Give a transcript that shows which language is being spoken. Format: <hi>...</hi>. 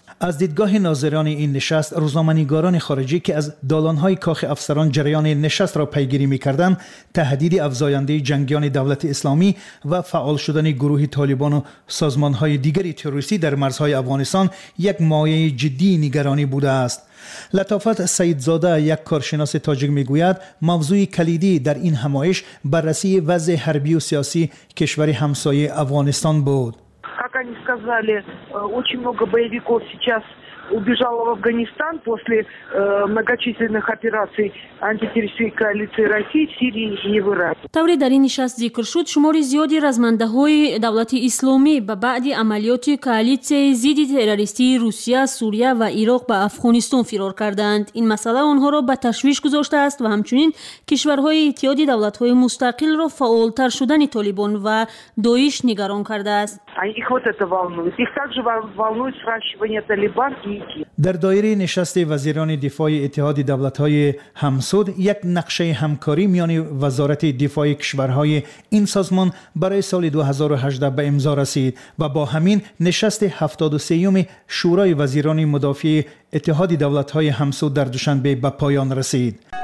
<fa>از دیدگاه ناظران این نشست، روزنامه‌نگاران خارجی که از دالان‌های کاخ افسران جریان نشست را پیگیری می‌کردند، تهدید افزاینده جنگیان دولت اسلامی و فعال شدن گروه طالبان و سازمان‌های دیگری تروریستی در مرزهای افغانستان یک مایه جدی نگرانی بوده است. لطافت سیدزاده یک کارشناس تاجیک میگوید موضوع کلیدی در این همایش بررسی وضع حربی و سیاسی کشور همسایه افغانستان بود.</fa> <ru>Как они сказали, очень много боевиков сейчас убежало в Афганистан после многочисленных операций антитеррористической коалиции России в Сирии и в Ираке.</ru> <tg>Тавре дар ин нишаст зикр шуд, шумори зиёди размандаҳои давлати исломӣ ба баъди амалиёти коалицияи зидди террористии Русия, Сурия ва Ироқ ба Афғонистон фирор карданд. Ин масъала онҳоро ба ташвиш гузоштааст ва ҳамчунин кишварҳои иттиҳоди давлатҳои мустақилро фаъолтар шудани Толибон ва Доиш нигарон кардааст.</tg> <ru>Их вот это волнует. Их также волнует сращивание Талибан.</ru> <fa>در دایره نشست وزیران دفاع اتحاد دولت‌های همسود یک نقشه همکاری میان وزارت دفاع کشورهای این سازمان برای سال 2018 به امضا رسید و با همین نشست 73 شورای وزیران مدافع اتحاد دولت‌های همسود در دوشنبه به پایان رسید.</fa>